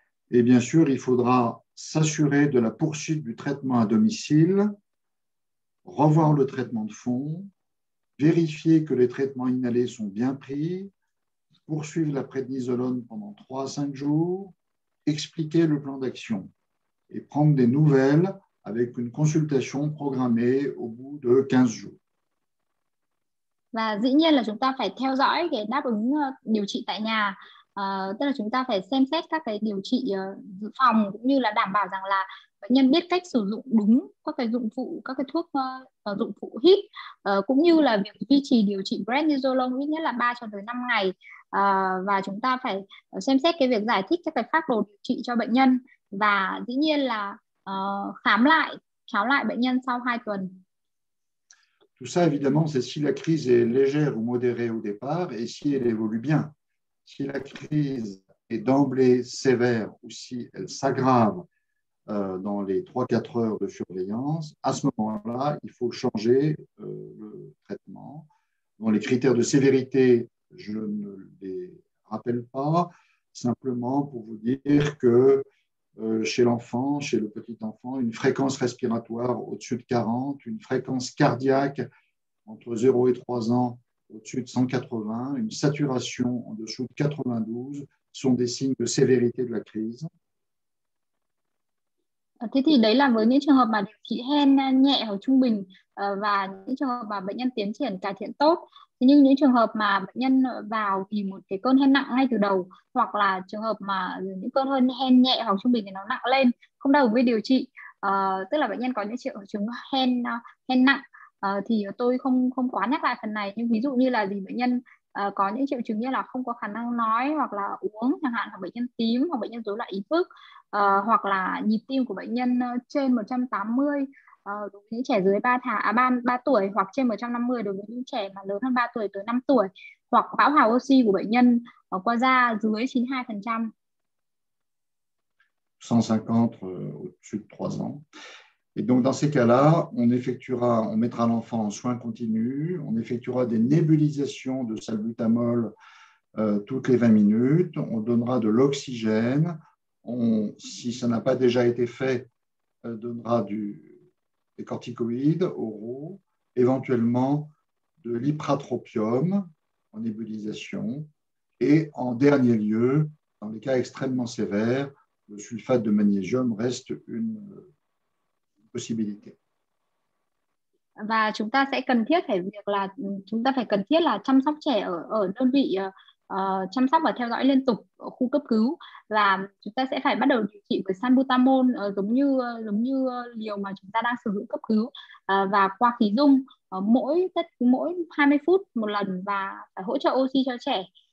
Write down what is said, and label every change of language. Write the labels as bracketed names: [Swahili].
[French] Et bien sûr, il faudra s'assurer de la poursuite du traitement à domicile, revoir le traitement de fond, vérifier que les traitements inhalés sont bien pris, poursuivre la prednisolone pendant 3 à 5 jours, expliquer le plan d'action et prendre des nouvelles avec une consultation programmée au bout de 15 jours. [Vietnamese] Và dĩ nhiên là chúng ta phải theo dõi cái đáp ứng điều trị tại nhà, tức là chúng ta phải xem xét các cái điều trị dự phòng cũng như là đảm bảo rằng là bệnh nhân biết cách sử dụng đúng các cái thuốc dụng cụ hít, cũng như là việc duy trì điều trị prednisolone ít nhất là 3 cho tới 5 ngày, và chúng ta phải xem xét cái việc giải thích các cái phác đồ điều trị cho bệnh nhân, và dĩ nhiên là khám lại bệnh nhân sau 2 tuần. [French] Tout ça évidemment c'est si la crise est légère ou modérée au départ et si elle évolue bien. Si la crise est d'emblée sévère ou si elle s'aggrave dans les 3-4 heures de surveillance, à ce moment-là, il faut changer le traitement. Dans les critères de sévérité, je ne les rappelle pas, simplement pour vous dire que chez l'enfant, chez le petit enfant, une fréquence respiratoire au-dessus de 40, une fréquence cardiaque entre 0 et 3 ans au-dessus de 180, une saturation en dessous de 92 sont des signes de sévérité de la crise. [Vietnamese] Thế thì đấy là với những trường hợp mà điều trị hen nhẹ hoặc trung bình, và những trường hợp mà bệnh nhân tiến triển cải thiện tốt. Nhưng những trường hợp mà bệnh nhân vào thì một cái cơn hen nặng ngay từ đầu, hoặc là trường hợp mà những cơn hen nhẹ hoặc trung bình thì nó nặng lên không đồng với điều trị, tức là bệnh nhân có những triệu chứng hen nặng, thì tôi không quá nhắc lại phần này. Nhưng ví dụ như là gì, bệnh nhân có những triệu chứng như là không có khả năng nói hoặc là uống chẳng hạn, hoặc bệnh nhân tím, hoặc bệnh nhân rối loạn ý thức, hoặc là nhịp tim của bệnh nhân trên 180 đối với những trẻ dưới 3 tháng, 3 tuổi, hoặc trên 150 đối với những trẻ mà lớn hơn 3 tuổi tới 5 tuổi, hoặc bão hòa oxy của bệnh nhân qua da dưới 92%. [French] 150 au-dessus de 3 ans. Et donc dans ces cas-là, on mettra l'enfant en soins continus, on effectuera des nébulisations de salbutamol toutes les 20 minutes, on donnera de l'oxygène. Si ça n'a pas déjà été fait, donnera des corticoïdes oraux, éventuellement de l'ipratropium en nébulisation, et en dernier lieu, dans les cas extrêmement sévères, le sulfate de magnésium reste une possibilité. [Vietnamese] Và chúng ta sẽ cần thiết phải việc là chúng ta phải cần thiết là chăm sóc trẻ ở đơn vị chăm sóc và theo dõi liên tục ở khu cấp cứu, và chúng ta sẽ phải bắt đầu điều trị với salbutamol giống như liều mà chúng ta đang sử dụng cấp cứu, và qua khí dung mỗi 20 phút một lần, và phải hỗ trợ oxy cho trẻ.